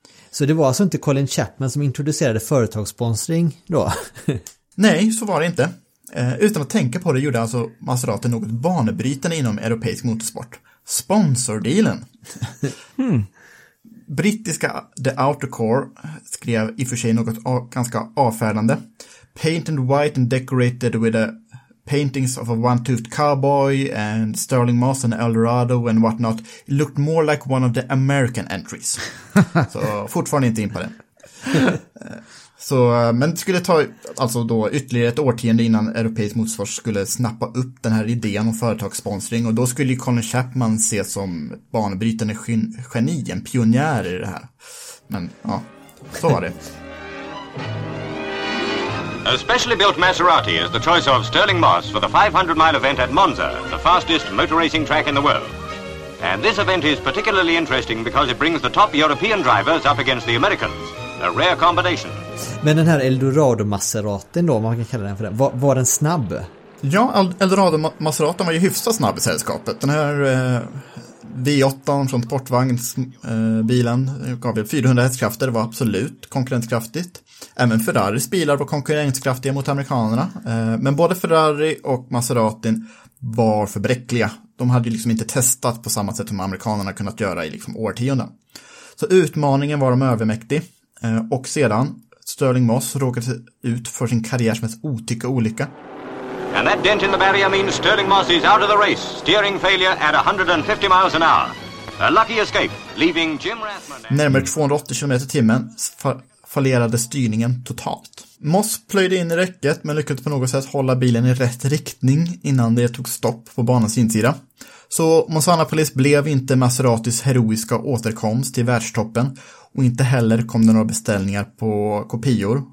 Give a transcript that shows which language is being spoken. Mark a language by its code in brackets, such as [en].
[sv] Så det var alltså inte Colin Chapman som introducerade företagssponsring då? Nej, så var det inte. Utan att tänka på det gjorde alltså Maserati något banbrytande inom europeisk motorsport. Sponsordealen. Brittiska The Outer Core skrev i för sig något ganska avfärdande. [en] Painted white and decorated with the paintings of a one-toothed cowboy and Sterling Moss and Eldorado and whatnot. It looked more like one of the American entries. [sv] Så fortfarande inte in på det. Så, men det skulle ta alltså då ytterligare ett årtionde innan europeisk motorsport skulle snappa upp den här idén om företagssponsring. Och då skulle ju Colin Chapman ses som ett banbrytande geni, en pionjär i det här. Men ja, så var det. [en] A specially built Maserati is the choice of Stirling Moss for the 500-mile event at Monza, the fastest motor racing track in the world. And this event is particularly interesting because it brings the top European drivers up against the Americans. A rare combination. [sv] Men den här Eldorado Maseratin då, man kan kalla den för den, var den snabb? Ja, Eldorado Maseratin var ju hyfsat snabb i sällskapet. Den här V8 från sportvagnsbilen gav 400 hästkrafter, var absolut konkurrenskraftigt. Även Ferraris bilar var konkurrenskraftiga mot amerikanerna. Men både Ferrari och Maseratin var för bräckliga. De hade ju liksom inte testat på samma sätt som amerikanerna kunnat göra i liksom årtionden. Så utmaningen var de övermäktig. Och sedan, Stirling Moss råkade ut för sin karriär som ett otycke olycka. [en] And that dent in the barrier means Stirling Moss is out of the race. Steering failure at 150 miles an hour. A lucky escape, leaving Jim Rathman... [sv] Närmare 280 km/h fallerade styrningen totalt. Moss plöjde in i räcket men lyckades på något sätt hålla bilen i rätt riktning innan det tog stopp på banans insida. Så Mossanapolis blev inte Maseratis heroiska återkomst till världstoppen och inte heller kom det några beställningar på kopior.